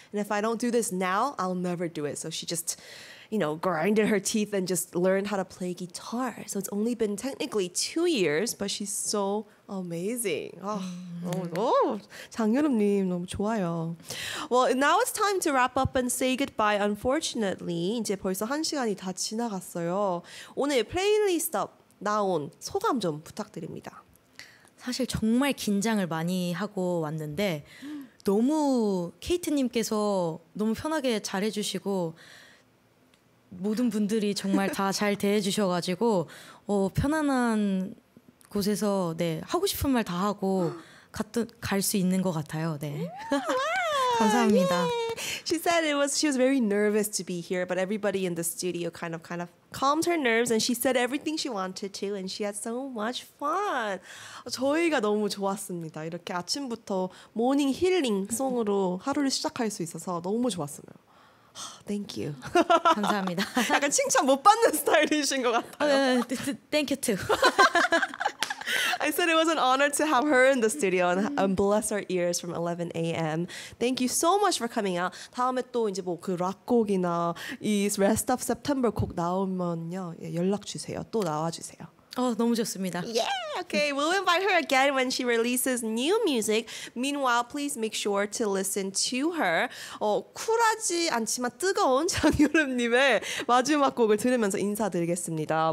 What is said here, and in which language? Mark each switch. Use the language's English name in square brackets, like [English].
[English] And if I don't do this now, I'll never do it. So she just, you know, grinded her teeth and just learned how to play guitar. So it's only been technically 2 years, but she's so amazing. Oh, [Korean] Jang-yeol-um-nim, 너무 좋아요. [English] Well, now it's time to wrap up and say goodbye. [Korean] Unfortunately, 이제 벌써 한 시간이 다 지나갔어요. 오늘 플레이리스트 나온 소감 좀 부탁드립니다. 사실 정말 긴장을 많이 하고 왔는데 너무 케이트님께서 너무 편하게 잘해주시고 모든 분들이 정말 다 잘 대해주셔가지고 편안한 곳에서 네 하고 싶은 말 다 하고 갈 수 있는 것 같아요. 네. 감사합니다. [English] Yay! She said she was very nervous to be here, but everybody in the studio kind of calmed her nerves, and she said everything she wanted to, and she had so much fun. [Korean] 저희가 너무 좋았습니다. 이렇게 아침부터 모닝 힐링 송으로 하루를 시작할 수 있어서 너무 좋았어요. [English] Thank you. [Korean] 감사합니다. 약간 칭찬 못 받는 스타일이신 것 같아요. [English] Thank you too. I said it was an honor to have her in the studio and bless our ears from 11 a.m. Thank you so much for coming out. [Korean] 다음에 또 이제 뭐 그 락곡이나 이 Rest of September 곡 나오면요 연락 주세요. 또 나와 주세요. 너무 좋습니다. [English] Yeah. Okay. We'll invite her again when she releases new music. Meanwhile, please make sure to listen to her. [Korean] 쿨하지 않지만 뜨거운 장유름님의 마지막 곡을 들으면서 인사드리겠습니다.